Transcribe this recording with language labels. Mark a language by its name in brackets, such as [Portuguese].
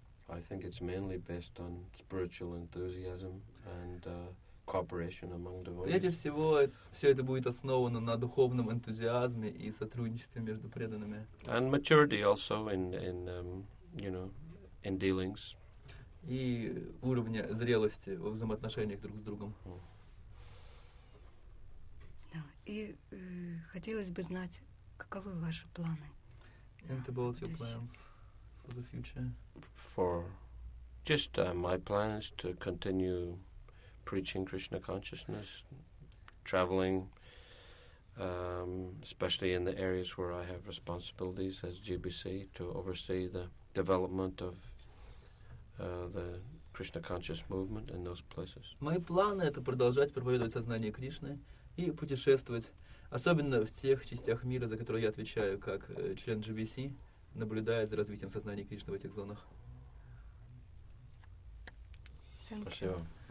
[English] I think it's mainly based on spiritual enthusiasm and cooperation among devotees. [Russian] Прежде всего, все это будет основано на духовном энтузиазме и сотрудничестве между преданными. [English] And maturity also in in dealings. [Russian] И уровня зрелости во взаимоотношениях друг с другом. Да, и хотелось бы знать, каковы ваши планы? [English] And about your plans for the future? For just my plans to continue preaching Krishna consciousness, traveling, especially in the areas where I have responsibilities as GBC to oversee the development of the Krishna conscious movement in those places. [Russian] Мои планы — это продолжать проповедовать сознание Кришны и путешествовать, особенно в тех частях мира, за которые я отвечаю как член GBC, наблюдая за развитием сознания Кришны в этих зонах. Спасибо.